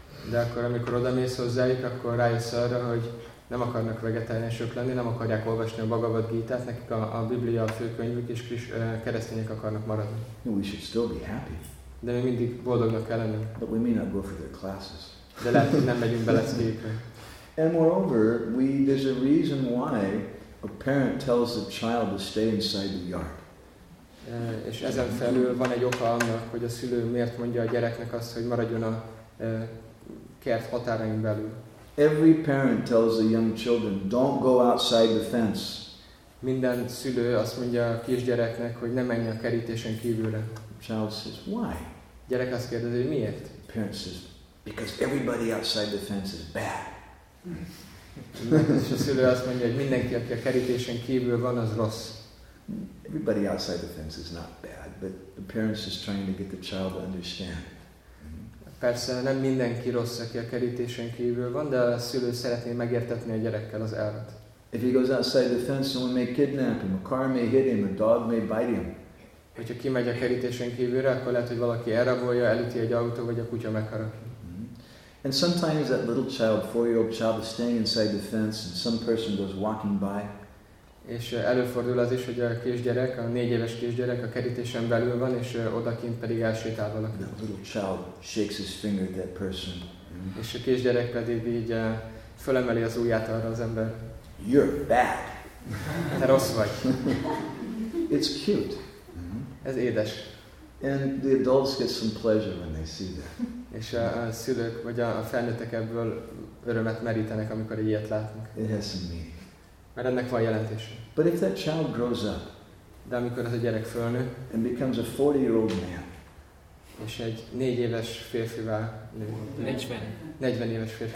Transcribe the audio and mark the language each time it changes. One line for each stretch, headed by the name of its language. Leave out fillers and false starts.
Hungarian: De akkor, amikor odamész hozzájuk, akkor rájössz arra, hogy nem akarnak vegetáriánusok lenni, nem akarják olvasni a Bhagavad Gítát, nekik a Biblia a főkönyvük, és keresztények akarnak maradni.
English: We should still be happy.
Hungarian: De mi mindig boldognak kell lenni.
English: But we may not go for their classes.
Hungarian: De lehet, hogy nem megyünk bele szépen.
English: And moreover, there's a reason why a parent tells a child to stay inside the yard.
Hungarian: És ezen felül van egy oka annak, hogy a szülő miért mondja a gyereknek azt, hogy maradjon a kert határain belül.
English: Every parent tells the young children, don't go outside the fence.
Hungarian: Minden szülő azt mondja a kisgyereknek, hogy ne menj a kerítésen kívülre.
English: Child says, why?
Hungarian: Gyerek azt kérdezi, hogy miért?
English: Parent says, Because everybody outside the fence is bad.
Hungarian: És a szülő azt mondja, hogy mindenki, aki a kerítésen kívül van, az rossz.
English: Everybody outside the fence is not bad, but the parents is trying to get the child to understand.
Hungarian: Persze nem mindenki rossz, aki a kerítésen kívül van, de a szülő szeretné megértetni a gyerekkel az elvet.
English: If he goes outside the fence, someone may kidnap him, a car may hit him, a dog may bite him.
Hungarian: Hogyha kimegy a kerítésen kívülre, akkor lehet, hogy valaki elrabolja, elüti egy autó, vagy a kutya megharap.
English: And sometimes that little child, 4-year-old child, is staying inside the fence, and some person goes walking by.
Hungarian: És előfordul az is, hogy a kisgyerek, a 4 éves kisgyerek a kerítésen belül van, és odakint pedig elsétál valaki.
English: That little child shakes his finger at that person.
Hungarian: És a kisgyerek pedig így fölemeli az ujját arra az ember.
English: You're bad.
Hungarian: Te rossz vagy.
English: It's cute.
Hungarian: Ez édes.
English: And the adults get some pleasure when they see that.
Hungarian: És a szülők vagy a felnőttek ebből örömet merítenek, amikor így ilyet látnak.
English: It has some meaning.
Hungarian: Mert ennek van jelentése.
English: But if that child grows up,
Hungarian: de amikor ez a gyerek fölnő,
English: and becomes a 40-year-old man,
Hungarian: és egy 4 éves férfivá nő, 40 éves férfi,